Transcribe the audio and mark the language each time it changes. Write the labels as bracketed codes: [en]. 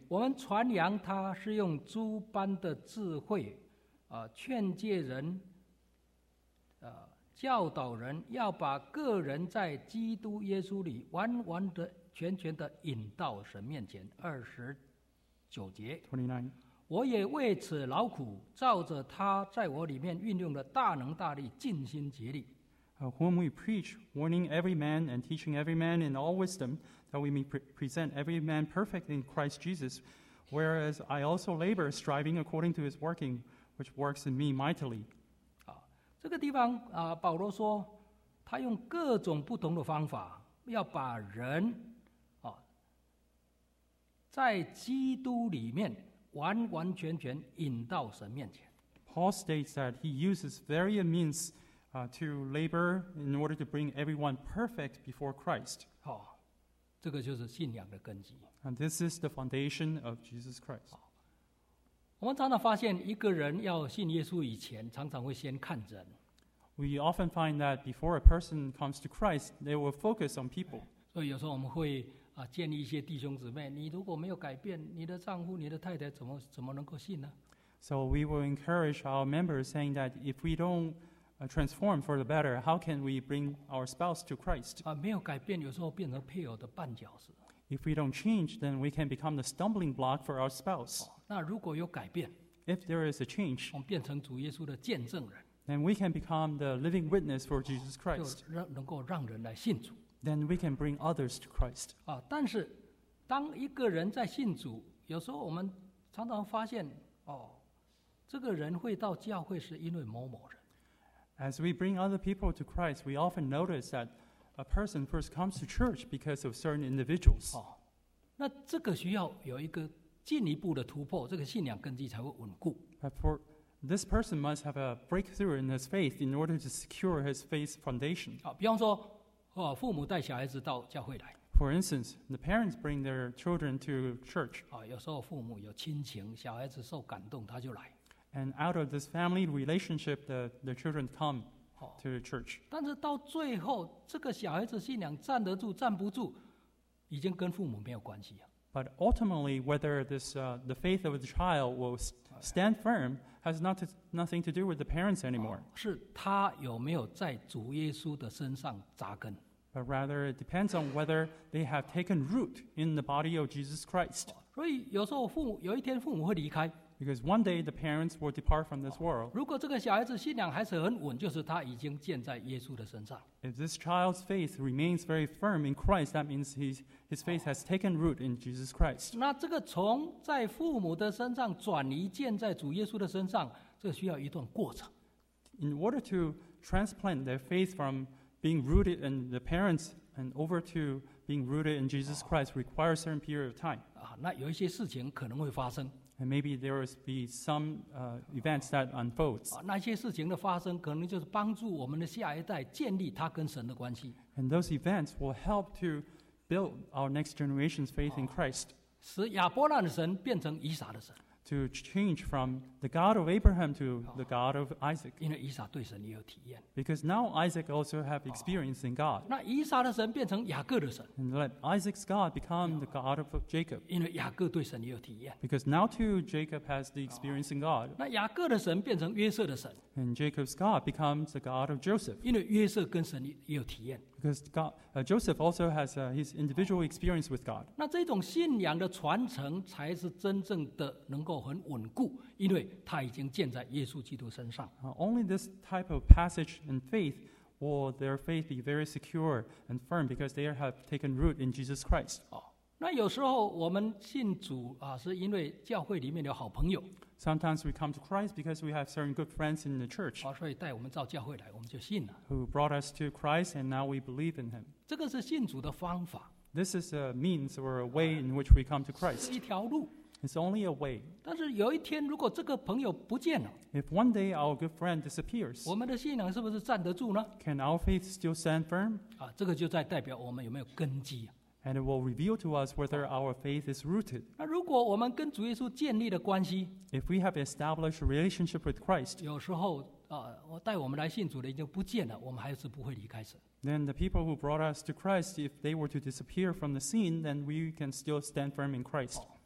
[zh] 我们传扬他是用诸般的智慧，劝诫人，教导人，要把个人在基督耶稣里完完的全全的引到神面前。 29节。 [en] 29. [zh] 我也为此劳苦，照着他在我里面运用的大能大力，尽心竭力。 [en] Whom we preach, warning every man and teaching every man in all wisdom, that we may present every man perfect in Christ Jesus, whereas I also labor, striving according to his working, which works in me mightily. [zh] 这个地方保罗说，他用各种不同的方法，要把人在基督里面完完全全引到神面前。 [en] Paul states that he uses various means to labor in order to bring everyone perfect before Christ. [zh] 好，这个就是信仰的根基。 [en] And this is the foundation of Jesus Christ. [zh] 我们常常发现，一个人要信耶稣以前，常常会先看人。 [en] We often find that before a person comes to Christ, they will focus on people. [zh] 所以有时候我们会建议一些弟兄姊妹，你如果没有改变，你的丈夫、你的太太怎么能够信呢？ [en] So we will encourage our members, saying that if we don't transform for the better, how can we bring our spouse to Christ? [zh] 没有改变，有时候变成配偶的绊脚石。 [en] If we don't change, then we can become the stumbling block for our spouse. [zh] 那如果有改变， [en] if there is a change, [zh] 我们变成主耶稣的见证人， [en] then we can become the living witness for Jesus Christ. [zh] 能够让人来信主。 [en] Then we can bring others to Christ. [zh] 但是当一个人在信主，有时候我们常常发现，这个人会到教会是因为某某人。 [en] As we bring other people to Christ, we often notice that a person first comes to church because of certain individuals. [zh] 那这个需要有一个进一步的突破，这个信仰根基才会稳固。 [en] But for this person must have a breakthrough in his faith in order to secure his faith foundation. [zh] 比方说。父母带小孩子到教会来。 [en] For instance, the parents bring their children to church. [zh] 有时候父母有亲情，小孩子受感动，他就来。 [en] And out of this family relationship, the children come to the church. [zh] 但是到最后，这个小孩子信仰站得住站不住，已经跟父母没有关系了。 [en] But ultimately, whether the faith of the child will stand firm has nothing to do with the parents anymore. [zh] 是他有没有在主耶稣的身上扎根。 [en] But rather, it depends on whether they have taken root in the body of Jesus Christ. [zh] 所以有时候有一天父母会离开。 [en] Because one day the parents will depart from this world. [zh] 如果这个小孩子信仰还是很稳，就是他已经建在耶稣的身上。 [en] If this child's faith remains very firm in Christ, that means his faith has taken root in Jesus Christ. [zh] 那这个从在父母的身上转移建在主耶稣的身上，这需要一段过程。 [en] In order to transplant their faith from being rooted in the parents and over to being rooted in Jesus Christ requires a certain period of time. [zh] 那有一些事情可能会发生。 [en] And maybe there will be some events that unfold. [zh] 那些事情的发生，可能就是帮助我们的下一代建立他跟神的关系。 [en] And those events will help to build our next generation's faith in Christ. [zh] 使亚伯拉罕的神变成以撒的神。 [en] To change from the God of Abraham to the God of Isaac. [zh] 因为以撒对神也有体验。 [en] Because now Isaac also have experience in God. [zh] 那以撒的神变成雅各的神。 [en] And let Isaac's God become the God of Jacob. [zh] 因为雅各对神也有体验。 [en] Because now too Jacob has the experience in God. [zh] 那雅各的神变成约瑟的神。 [en] And Jacob's God becomes the God of Joseph. [zh] 因为约瑟跟神也有体验。 [en] Because Joseph also has his individual experience with God. [zh] 那这种信仰的传承才是真正的能够很稳固，因为它已经建在耶稣基督身上。 [en] Only this type of passage and faith will their faith be very secure and firm because they have taken root in Jesus Christ. [zh] 那有时候我们信主是因为教会里面有好朋友。 [en] Sometimes we come to Christ because we have certain good friends in the church. [zh] 所以带我们到教会来，我们就信了。 [en] Who brought us to Christ and now we believe in him. [zh] 这个是信主的方法。 [en] This is a means or a way in which we come to Christ. [zh] 是一条路。 [en] It's only a way. [zh] 但是有一天如果这个朋友不见了。 [en] If one day our good friend disappears. [zh] 我们的信仰是不是站得住呢？ [en] Can our faith still stand firm? [zh] 这个就在代表我们有没有根基。 [en] And it will reveal to us whether our faith is rooted. [zh] 那如果我们跟主耶稣建立的关系， [en] if we have established a relationship with Christ, [zh] 有时候我带我们来信主的已经不见了，我们还是不会离开神。 [en] Then the people who brought us to Christ, if they were to disappear from the scene, then we can still stand firm in Christ.